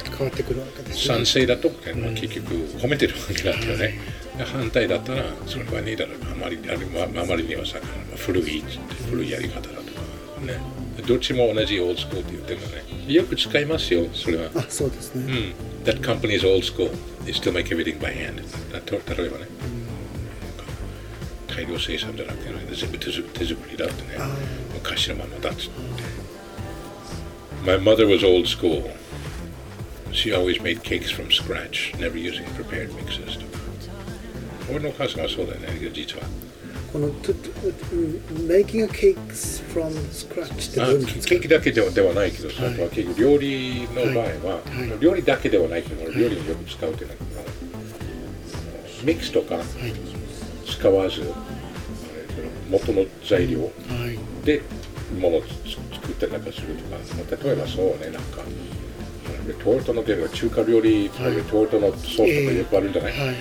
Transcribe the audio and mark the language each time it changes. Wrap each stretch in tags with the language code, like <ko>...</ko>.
<ja>変わってくるわけですね。賛成だと、結局褒めてるわけだったよね。はい、反対だったら、それはねえだろう。あまりにはさ、古いって古いやり方だとかね。どっちも同じ old school って言ってるのね。よく使いますよ、それは。あ、そうですね。</ja> <en>That company is old school. They still make everything by hand.</en> <ja>例えばね。大量生産じゃなくて、ね、全部手作りだってね、昔のままだっつって。</ja> <en>My mother was old school. She always made cakes from scratch, never using prepared mixes.</en> <ja>俺のお母さんはそうだね、実は。この</ja> <en>making cakes from scratch</en> <ja>って何ですか？ケーキだけではないけど、はい、それは結局料理の場合は、はい、料理だけではないけど、はい、料理をよく使うっていうのは、はい、ミックスとか、はい、使わず、元の材料でものを作ったりなんかするとか、例えばそうね、なんかレトルトの料理は中華料理、はい、レトルトのソースとかよくあるんじゃない、</ja>